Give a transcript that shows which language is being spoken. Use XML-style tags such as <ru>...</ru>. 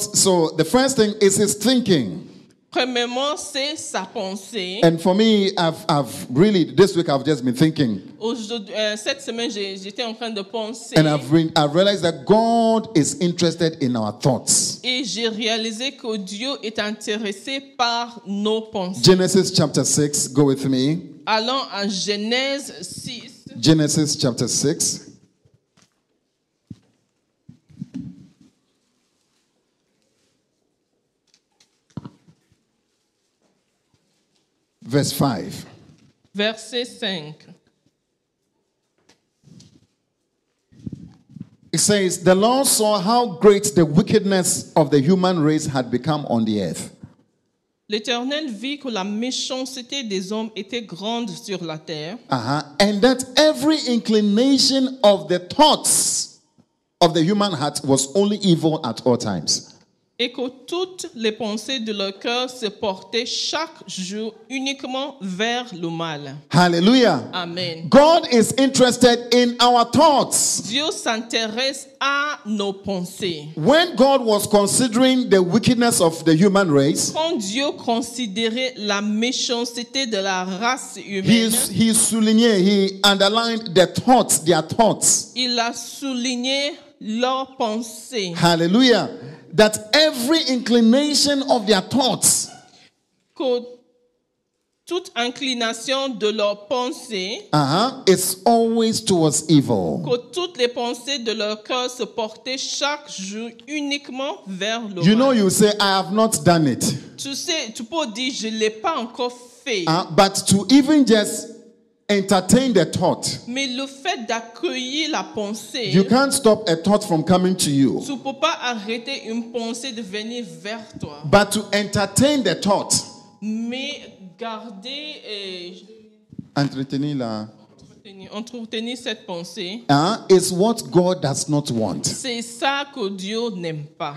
<en>So the first thing is his thinking.</en> <fr>Premièrement, c'est sa pensée.</fr> <en>And for me, I've really this week just been thinking.</en> <fr>Cette semaine, j'étais en train de penser.</fr> <en>And I've realized that God is interested in our thoughts.</en> <fr>Et j'ai réalisé que Dieu est intéressé par nos pensées.</fr> <en>Genesis chapter 6, go with me.</en> <fr>Allons à Genèse 6.</fr> <en>Genesis chapter 6. verse 5. Verse 5. It says, the Lord saw how great the wickedness of the human race had become on the earth.</en> <fr>L'Éternel vit que la méchanceté des hommes était grande sur la terre.</fr> <en>And that every inclination of the thoughts of the human heart was only evil at all times.</en> <fr>Et que toutes les pensées de leur cœur se portaient chaque jour uniquement vers le mal.</fr> <en>Hallelujah. Amen. God is interested in our thoughts.</en> <fr>Dieu s'intéresse à nos pensées.</fr> <en>When God was considering the wickedness of the human race,</en> <fr>quand Dieu considérait la méchanceté de la race humaine,</fr> <en>he soulignait, he underlined the thoughts, their thoughts.</en> <fr>Il a souligné leurs pensées.</fr> <en>Hallelujah. That every inclination of their thoughts,</en> <fr>que toute inclination de leur pensée,</fr> <en>is always towards evil.</en> <fr>Que toutes les pensées de leur cœur se portaient chaque jour uniquement vers le mal.</fr> <en>You know, you say, I have not done it.</en> <fr>Tu sais, tu peux dire, je l'ai pas encore fait.</fr> <en>But to even just entertain the thought.</en> <fr>Mais le fait d'accueillir la pensée,</fr> <en>you can't stop a thought from coming to you.</en> <fr>Tu peux pas arrêter une pensée de venir vers toi.</fr> <en>But to entertain the thought.</en> <fr>Mais garder entretenir cette pensée.</fr> <en>Is what God does not want.</en> <fr>C'est ça que Dieu n'aime pas.</fr>